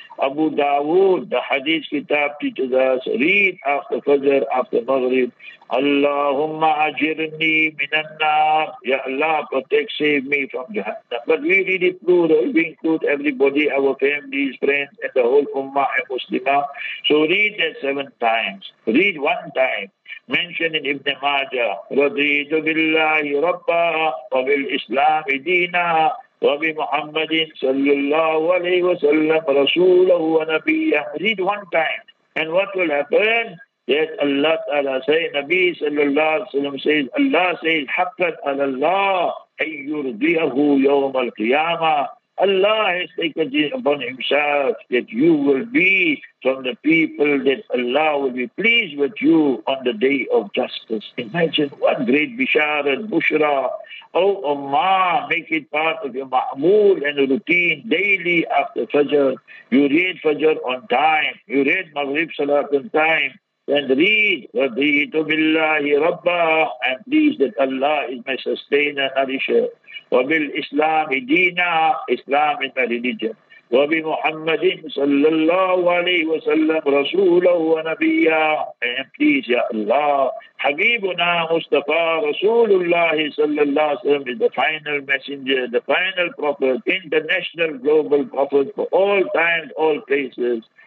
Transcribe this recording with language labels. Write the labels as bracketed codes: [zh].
[en] Abu Dawood, the Hadith Kitab teaches us, read after Fajr, after Maghrib. [ar] Allahumma ajirni minannar. [en] Ya Allah, protect, save me from Jahannam. But we read it plural. We include everybody, our families, friends, and the whole Ummah and Muslimah. So, read that 7 times. Read 1 time. Mentioned in Ibn Majah, [ar] رَضِيْتُ بِاللَّهِ رَبَّهُ وَبِالْإِسْلَامِ دِينَهُ وَبِمُحَمَّدٍ صَلَّى اللَّهُ عَلَيْهِ وَسَلَّمَ رَسُولَهُ وَنَبِيَّهُ. [en] Read 1 time. And what will happen? That Allah Ta'ala say, Nabi Sallallahu Alaihi Wasallam says, Allah says, [ar] حَقَّتْ عَلَى اللَّهُ أَن يُرْضِيَهُ يَوْمَ الْقِيَامَةِ. [en] Allah has taken it upon himself that you will be from the people that Allah will be pleased with you on the day of justice. Imagine what great bisharat, bushra. Oh Ummah, make it part of your ma'mool and routine daily after Fajr. You read Fajr on time. You read Maghrib Salat on time. And read, [ar] رَضِيْتُ بِاللَّهِ رَبَّهُ. [en] And please that Allah is my sustainer, nourisher. [ar] وَبِالْإِسْلَامِ دِينَا. [en] Islam is my religion. [ar] وَبِمُحَمَّدٍ صَلَّى اللَّهُ عَلَيْهِ وَسَلَّمْ رَسُولَهُ وَنَبِيَّهُ. [en] And please, Ya Allah, [ar] حَبِيبُنَا مُصْطَفَى رَسُولُ اللَّهِ صَلَّى اللَّهُ وَسَلَّمْ [en] is the final messenger, the final prophet, international global prophet for all times, all places.